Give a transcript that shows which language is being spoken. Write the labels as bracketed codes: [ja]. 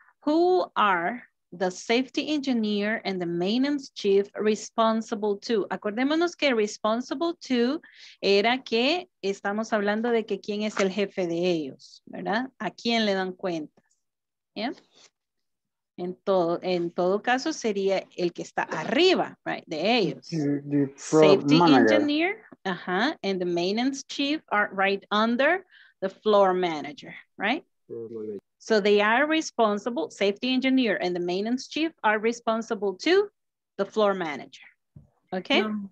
[en] Who are the safety engineer and the maintenance chief responsible to? [es] Acordémonos que responsible to era que estamos hablando de que quién es el jefe de ellos, ¿verdad? ¿A quién le dan cuentas? Yeah. En todo caso sería el que está arriba, right, de ellos. [en] Safety manager. Engineer, uh-huh, and the maintenance chief are right under the floor manager, right? So they are responsible, safety engineer and the maintenance chief are responsible to the floor manager, okay?